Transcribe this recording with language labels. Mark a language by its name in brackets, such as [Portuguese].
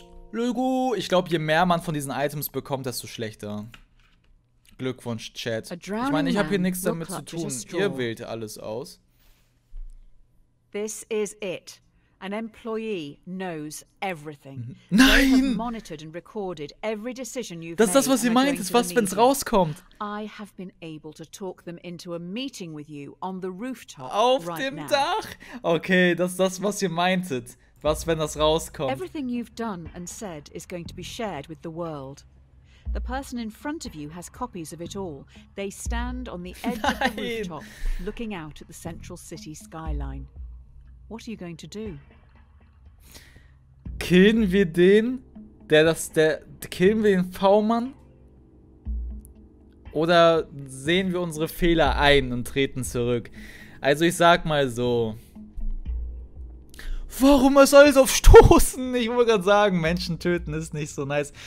[German] Lugu, ich glaube, je mehr man von diesen Items bekommt, desto schlechter. Glückwunsch, Chat. Ich meine, ich habe hier nichts damit zu tun. Ihr wählt alles aus. [English] This is it. An employee knows everything. [German] Nein! [English] Monitored and recorded every decision you've [German] das ist das, was ihr meint, ist was, wenn es rauskommt. [English] I have been able to talk them into a meeting with you on the rooftop. [German] Auf dem Dach! Okay, das ist das, was ihr meintet. Was, wenn das rauskommt? [English] Everything you've done and said is going to be shared with the world. The person in front of you has copies of it all. They stand on the edge of the rooftop, looking out at the central city skyline. What are you going to do? [German] Killen wir den, der das, der, killen wir den V-Mann? Oder sehen wir unsere Fehler ein und treten zurück? Also ich sag mal so. Warum ist alles auf Stoßen? Ich wollte gerade sagen, Menschen töten ist nicht so nice.